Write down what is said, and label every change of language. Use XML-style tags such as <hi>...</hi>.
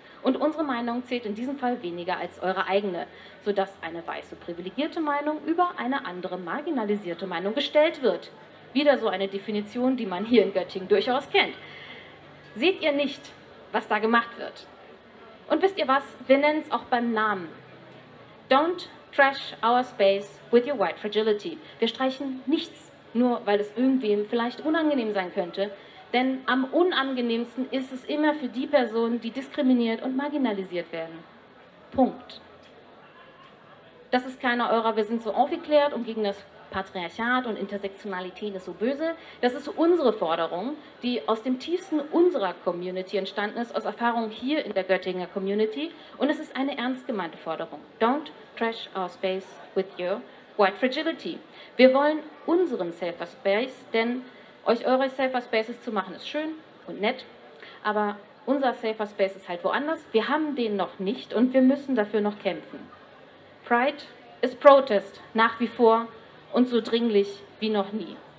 <de>Und unsere Meinung zählt in diesem Fall weniger als eure eigene, sodass eine weiße privilegierte Meinung über eine andere marginalisierte Meinung gestellt wird. Wieder so eine Definition, die man hier in Göttingen durchaus kennt. Seht ihr nicht, was da gemacht wird? Und wisst ihr was? Wir nennen es auch beim Namen.</de> <en>Don't trash our space with your white fragility.</en> <de>Wir streichen nichts, nur weil es irgendwem vielleicht unangenehm sein könnte. Denn am unangenehmsten ist es immer für die Personen, die diskriminiert und marginalisiert werden. Punkt. Das ist keiner eurer, wir sind so aufgeklärt und gegen das Patriarchat und Intersektionalität ist so böse. Das ist unsere Forderung, die aus dem tiefsten unserer Community entstanden ist, aus Erfahrung hier in der Göttinger Community. Und es ist eine ernst gemeinte Forderung.</de> <en>Don't trash our space with your white fragility.</en> <de>Wir wollen unseren safer space, denn euch eure Safer Spaces zu machen, ist schön und nett, aber unser Safer Space ist halt woanders. Wir haben den noch nicht und wir müssen dafür noch kämpfen. Pride ist Protest, nach wie vor und so dringlich wie noch nie.</de>